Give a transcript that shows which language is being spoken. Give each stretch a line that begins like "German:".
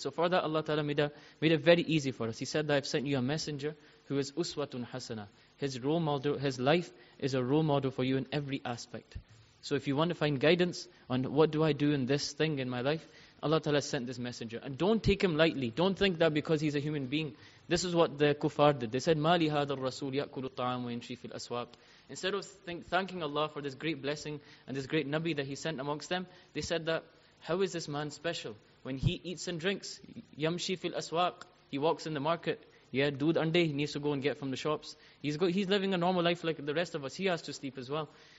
English: So for that, Allah ta'ala made it very easy for us. He said that I've sent you a messenger who is uswatun hasana. His role model, his life is a role model for you in every aspect. So if you want to find guidance on what do I do in this thing in my life, Allah ta'ala sent this messenger. And don't take him lightly. Don't think that because he's a human being. This is what the kuffar did. They said,
Arabic: مَا لِهَذَا الرَّسُولِ يَأْكُلُ الطَّعَامُ وَيَنْشِي فِي الْأَسْوَاقِ.
English: Instead of thanking Allah for this great blessing and this great Nabi that he sent amongst them, they said that, how is this man special? When he eats and drinks,
Arabic: يَمْشِي فِي الْأَسْوَاقِ,
English: he walks in the market. Yeah, dood ande, he needs to go and get from the shops. He's living a normal life like the rest of us. He has to sleep as well.